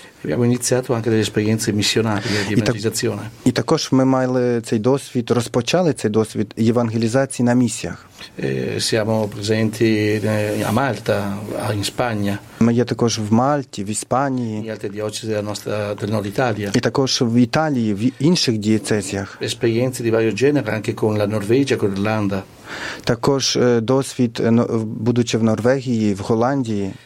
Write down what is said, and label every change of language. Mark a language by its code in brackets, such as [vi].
[it] Abbiamo iniziato anche delle esperienze missionarie di evangelizzazione. [uk] І також ми мали цей досвід, розпочали цей досвід євангелізації на місіях. [it] Siamo presenti a Malta, in Spagna. [uk] Ми є також в Мальті, в Іспанії. [it] In altre diocesi del nord Italia. [uk] І також в Італії, в інших дієцезіях. [it] Esperienze di vario genere anche con la Norvegia, con l'Irlanda. [uk] Також досвід, будучи в Норвегії, в Голландії.